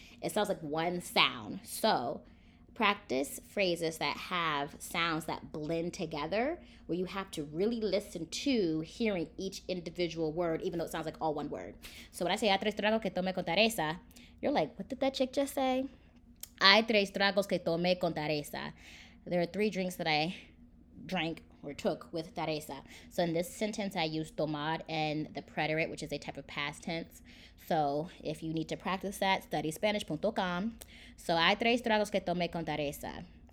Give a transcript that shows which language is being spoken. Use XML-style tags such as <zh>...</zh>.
<en>It sounds like one sound. So practice phrases that have sounds that blend together where you have to really listen to hearing each individual word, even though it sounds like all one word. So when I say,</en> <es>a tres tragos que tome con Teresa,</es> <en>you're like, what did that chick just say?</en> <es>Hay tres tragos que tomé con Teresa.</es> <en>There are three drinks that I drank or took with Teresa. So in this sentence, I use tomar and the preterite, which is a type of past tense. So if you need to practice that, studyspanish.com.</en> <es>So hay tres tragos que tomé con Teresa.</es>